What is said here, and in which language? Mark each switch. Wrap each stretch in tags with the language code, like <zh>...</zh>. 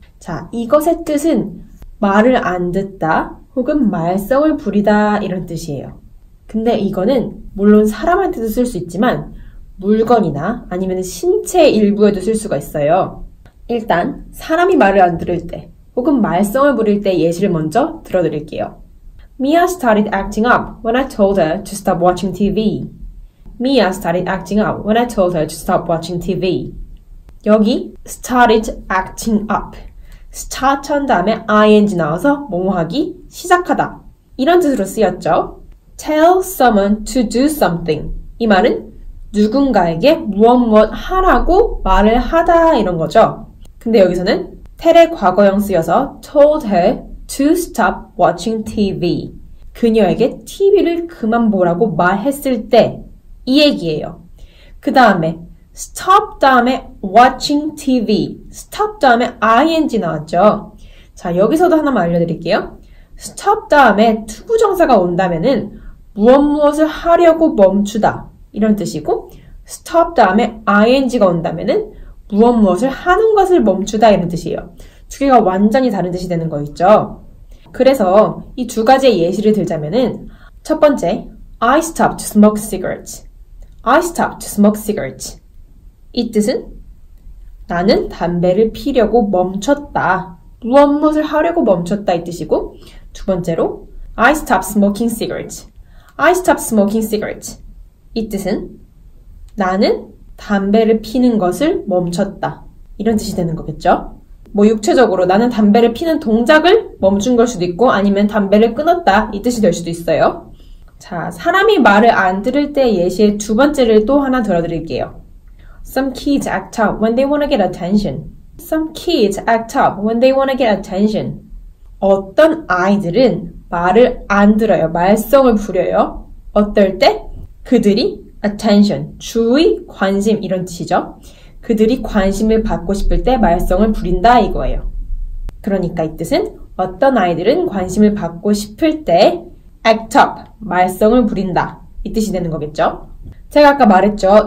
<ko>자, 이것의 뜻은 말을 안 듣다 혹은 말썽을 부리다 이런 뜻이에요. 근데 이거는 물론 사람한테도 쓸수 있지만, 물건이나 아니면 신체의 일부에도 쓸 수가 있어요. 일단, 사람이 말을 안 들을 때, 혹은 말썽을 부릴 때 예시를 먼저 들어드릴게요.</ko> <en>Mia started acting up when I told her to stop watching TV. Mia started acting up when I told her to stop watching TV.</en> <ko>여기</ko> <en>started acting up.</en> <ko>start 한 다음에 ing 나와서 뭐뭐 하기, 시작하다 이런 뜻으로 쓰였죠.</ko> <en>Tell someone to do something.</en> <ko>이 말은 누군가에게 무엇무엇 하라고 말을 하다 이런 거죠. 근데 여기서는 tell의 과거형 쓰여서</ko> <en>told her to stop watching TV.</en> <ko>그녀에게 TV를 그만 보라고 말했을 때 이 얘기예요. 그 다음에 stop 다음에</ko> <en>watching TV.</en> <ko>stop 다음에 ing 나왔죠. 자, 여기서도 하나만 알려드릴게요. stop 다음에 to 부정사가 온다면은 무엇무엇을 하려고 멈추다 이런 뜻이고, stop 다음에 ing가 온다면은 무엇무엇을 하는 것을 멈추다 이런 뜻이에요. 두 개가 완전히 다른 뜻이 되는 거 있죠. 그래서 이 두 가지의 예시를 들자면은, 첫 번째,</ko> <en>I stopped to smoke cigarettes. I stopped to smoke cigarettes.</en> <ko>이 뜻은 나는 담배를 피려고 멈췄다, 무엇무엇을 하려고 멈췄다 이 뜻이고, 두 번째로</ko> <en>I stopped smoking cigarettes. I stopped smoking cigarettes.</en> <ko>이 뜻은 나는 담배를 피는 것을 멈췄다 이런 뜻이 되는 거겠죠. 뭐 육체적으로 나는 담배를 피는 동작을 멈춘 걸 수도 있고, 아니면 담배를 끊었다 이 뜻이 될 수도 있어요. 자, 사람이 말을 안 들을 때 예시의 두 번째를 또 하나 들어드릴게요.</ko> <en>Some kids act up when they want to get attention. Some kids act up when they want to get attention.</en> <ko>어떤 아이들은 말을 안 들어요. 말썽을 부려요. 어떨 때? 그들이 attention, 주의, 관심 이런 뜻이죠. 그들이 관심을 받고 싶을 때 말썽을 부린다 이거예요. 그러니까 이 뜻은 어떤 아이들은 관심을 받고 싶을 때 act up, 말썽을 부린다 이 뜻이 되는 거겠죠. 제가 아까 말했죠.</ko>